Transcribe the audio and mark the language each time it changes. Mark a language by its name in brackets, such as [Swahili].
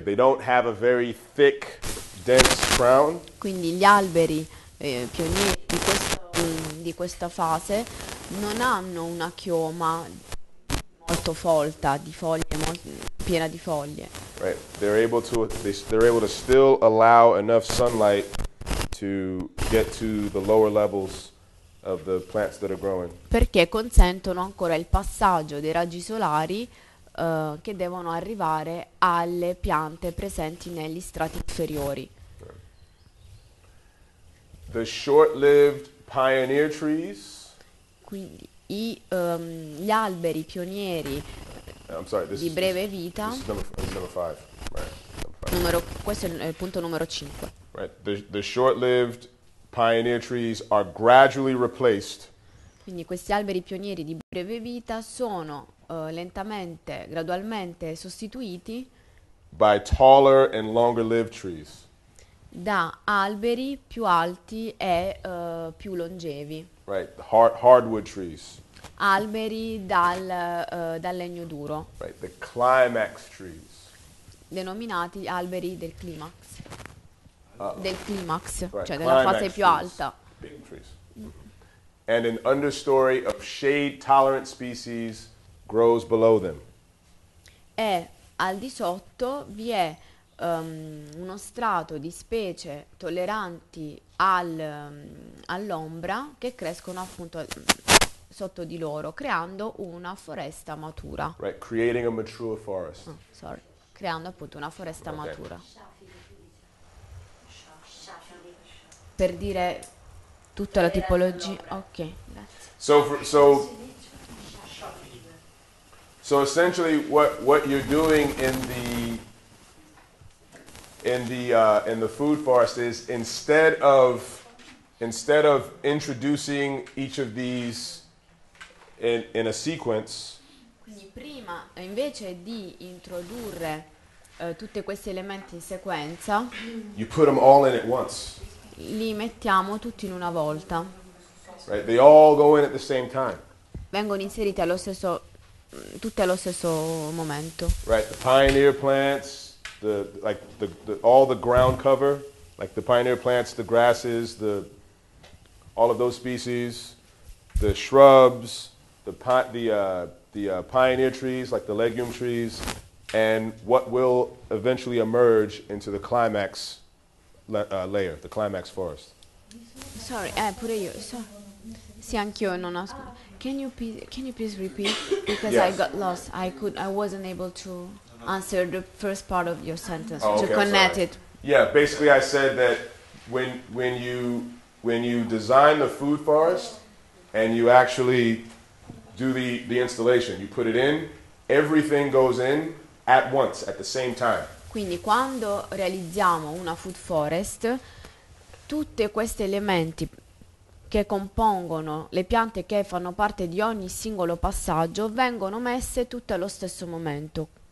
[English] They don't have a very thick, dense crown. [Italian] Quindi gli alberi pionieri di questa fase non hanno una chioma molto folta, di foglie piena di foglie. [English] Right, they're able to still allow enough sunlight to get to the lower levels of the plants that are growing. [Italian] Perché consentono ancora il passaggio dei raggi solari che devono arrivare alle piante presenti negli strati inferiori. [English] The short-lived pioneer trees. [Italian] Quindi gli alberi pionieri di breve vita. Questo è il punto numero 5. [English] Right. The short-lived pioneer trees are gradually replaced. [Italian] Quindi questi alberi pionieri di breve vita sono lentamente, gradualmente sostituiti [English] by taller and longer-lived trees. [Italian] Da alberi più alti e più longevi. [English] Right, hardwood trees. [Italian] Alberi dal legno duro. [English] Right, the climax trees. [Italian] Denominati alberi del climax. Del climax, right, cioè della fase [English] trees, [Italian] più alta. [English] Big trees. And an understory of shade-tolerant species grows below them. [Italian] E al di sotto vi è uno strato di specie tolleranti all'ombra che crescono appunto sotto di loro, creando una foresta matura. [English] Right, creating a mature forest. Oh, sorry. [Italian] Creando appunto una foresta matura. Per dire tutta la tipologia. Ok, grazie. [English] So essentially what you're doing in the food forest is instead of introducing each of these in a sequence. [Italian] Quindi prima, invece di introdurre tutte questi elementi in sequenza, [English] you put them all in at once. [Italian] Li mettiamo tutti in una volta. [English] Right, they all go in at the same time. [Italian] Vengono inseriti allo stesso tutte allo stesso momento. [English] Right, the pioneer plants, all the ground cover, like the pioneer plants, the grasses, the all of those species, the shrubs, the pioneer trees, like the legume trees, and what will eventually emerge into the climax layer, the climax forest. Sorry, [Italian] pure io. Sì, anch'io non ho. [English] Can you please repeat? Because yes. I got lost. I wasn't able to answer the first part of your sentence. Oh, okay, to connect it. Yeah, basically I said that when you design the food forest and you actually do the installation, you put it in, everything goes in at once, at the same time. [Italian] Quindi quando realizziamo una food forest, tutti questi elementi che compongono le piante che fanno parte di ogni singolo passaggio vengono messe tutte allo stesso momento.